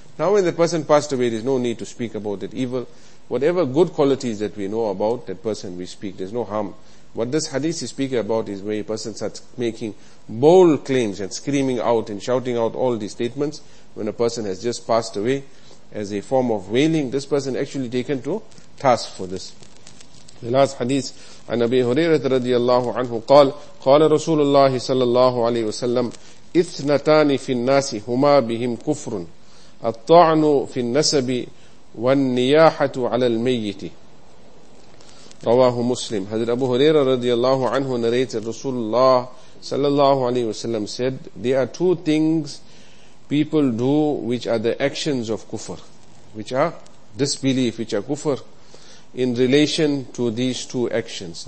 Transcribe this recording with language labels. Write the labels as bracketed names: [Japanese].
[English] Now when the person passed away, there's no need to speak about that evil. Whatever good qualities that we know about that person, we speak. There's no harm. What this hadith is speaking about is where a person starts making bold claims and screaming out and shouting out all these statements when a person has just passed away. as a form of wailing. This person actually taken to task for this. The last hadith, [Arabic] عن أبي هريرة رضي الله عنه قال قال رسول الله صلى الله عليه وسلم إثنتان في الناس هما بهم كفر الطعن في النسب والنياحة على الميت. رواه مسلم. حضرت أبو هريرة رضي الله عنه [English] narrated [Arabic] رسول الله صلى الله عليه وسلم [English] said there are two things people do which are the actions of kufr, which are disbelief, which are kufr, in relation to these two actions.